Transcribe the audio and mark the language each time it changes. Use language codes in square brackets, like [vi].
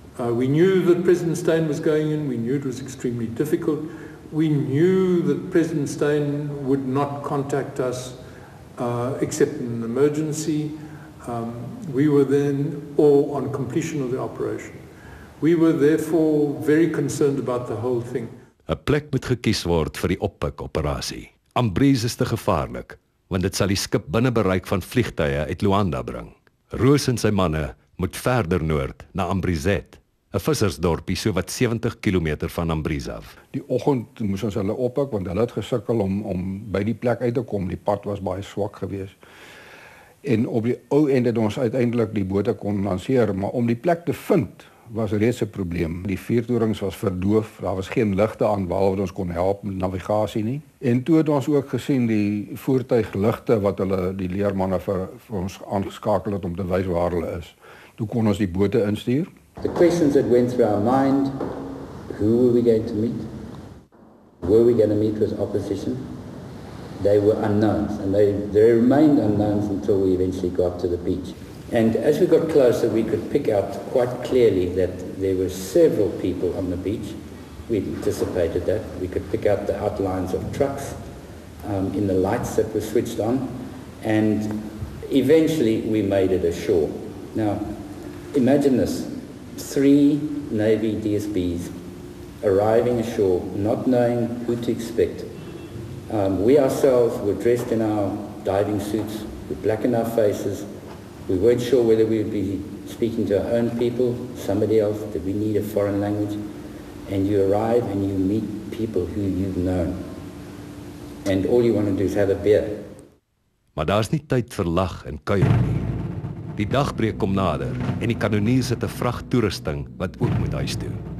[en] We knew that President Steyn was going in. We knew it was extremely difficult. We knew that President Steyn would not contact us except in an emergency. We were then all on completion of the operation. We were therefore very concerned about the whole thing. [af] 'N plek moet gekies word vir die oppik operasie. Ambrees is te gevaarlik, want dit sal die skip binne bereik van vliegtuie uit Luanda bring. Roos en sy manne moet verder noord na Ambrizet, 'n vissersdorpie so wat 70 km van Ambrizet af. Die oggend moes ons hulle oppik, want hulle het gesukkel om by die plek uit te kom. Die pad was baie swak geweest. En op die ou einde het ons uiteindelik die bote kon lanceer, maar om die plek te vind was reeds 'n probleem. Die vuurtorings was verdoof, daar was geen ligte aan waarop ons kon help met navigasie nie. En toe het ons ook gesien die voertuigligte wat hulle die leermanne vir ons aangeskakel het om te wys waar hulle is. Toe kon ons die bote instuur. [en] The questions that went through our mind, who were we going to meet? Were we going to meet with opposition? They were unknowns, and they remained unknowns until we eventually got to the beach. And as we got closer, we could pick out quite clearly that there were several people on the beach. We anticipated that. We could pick out the outlines of trucks in the lights that were switched on, and eventually we made it ashore. Now, imagine this, 3 Navy DSBs arriving ashore, not knowing who to expect. We ourselves were dressed in our diving suits, we blackened our faces, we weren't sure whether we would be speaking to our own people, somebody else, did we need a foreign language, and you arrive and you meet people who you've known, and all you want to do is have a beer. [af] Maar daar's nie tyd vir lag en kuier nie. Die dagbreek kom nader en die kanoniers het 'n vrag toerusting wat ook moet huis toe.